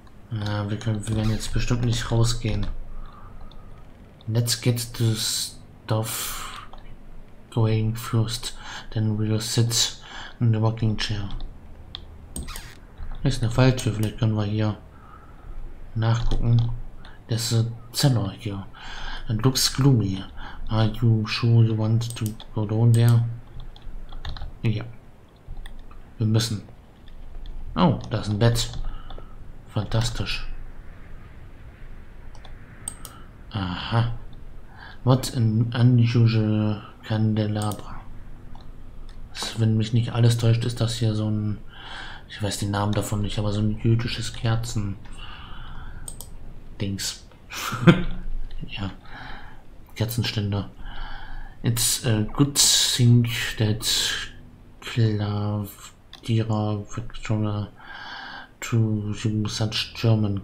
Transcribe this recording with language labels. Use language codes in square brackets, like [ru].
[de] Ja, wir werden jetzt bestimmt nicht rausgehen. [en] Let's get this stuff going first. Then we'll sit in the rocking chair. [de] Ist eine Falltür, vielleicht können wir hier nachgucken. Das ist ein Zimmer hier. [en] It looks gloomy. Are you sure you want to go down there? [de] Ja. Wir müssen. Oh, da ist ein Bett. Fantastisch. [en] Aha. What an unusual candelabra. [de] Wenn mich nicht alles täuscht, ist das hier so ein, ich weiß den Namen davon nicht, aber so ein jüdisches Kerzen Dings. Ja. Kerzenständer. [en] It's a good thing that Clavira Victoria to such German.